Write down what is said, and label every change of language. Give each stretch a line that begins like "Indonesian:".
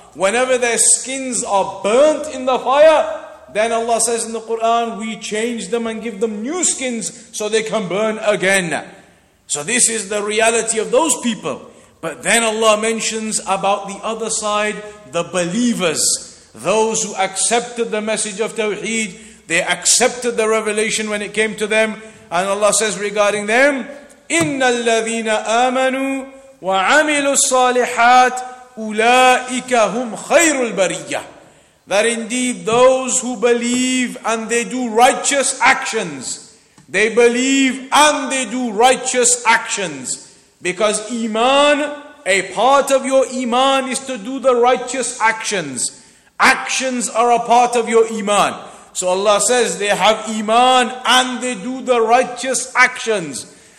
English: Whenever their skins are burnt in the fire, then Allah says in the Quran, we change them and give them new skins so they can burn again. So this is the reality of those people. But then Allah mentions about the other side, the believers, those who accepted the message of Tawheed, they accepted the revelation when it came to them. And Allah says regarding them,
Arabic: إِنَّ الَّذِينَ آمَنُوا وَعَمِلُوا الصَّالِحَاتِ أُولَٰئِكَ هُمْ خَيْرُ الْبَرِيَّةِ.
English: That indeed those who believe and they do righteous actions, they believe and they do righteous actions. Because iman, a part of your iman is to do the righteous actions. Actions are a part of your iman. So Allah says they have iman and they do the righteous actions.